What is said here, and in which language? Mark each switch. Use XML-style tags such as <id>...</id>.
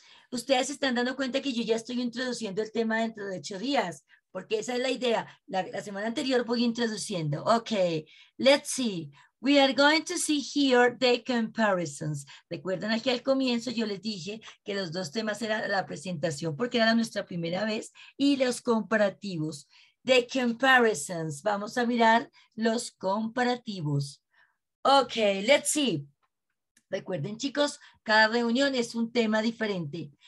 <es>Ustedes están dando cuenta que yo ya estoy introduciendo el tema dentro de 8 días, porque esa es la idea. La semana anterior voy introduciendo.</es> <en>Okay, let's see. We are going to see here the comparisons.</en> <es>Recuerden aquí al comienzo yo les dije que los dos temas eran la presentación porque era nuestra primera vez y los comparativos.</es> <en>The comparisons.</en> <es>Vamos a mirar los comparativos.</es> <en>Okay, let's see.</en> <es>Recuerden chicos, cada reunión es un tema diferente.</es>